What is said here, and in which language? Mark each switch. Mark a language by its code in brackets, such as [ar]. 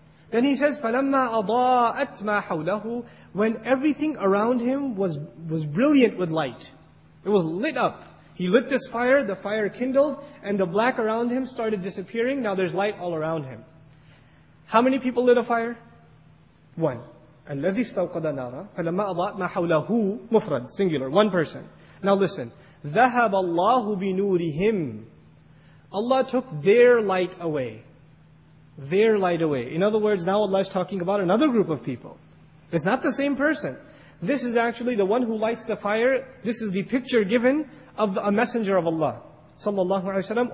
[en] Then he says, [ar] فَلَمَّا أَضَاءَتْ مَا حَوْلَهُ [en] when everything around him was brilliant with light. It was lit up. He lit this fire, the fire kindled, and the black around him started disappearing. Now there's light all around him. How many people lit a fire? One. [ar] الَّذِي اسْتَوْقَدَ نَارًا فَلَمَّا أَضَاءَتْ مَا حَوْلَهُ مفرد, [en] singular, one person. Now listen. [ar] ذَهَبَ اللَّهُ بِنُورِهِمْ [en] Allah took their light away. Their light away. In other words, now Allah is talking about another group of people. It's not the same person. This is actually the one who lights the fire. This is the picture given of a messenger of Allah. Sallallahu alayhi wa sallam.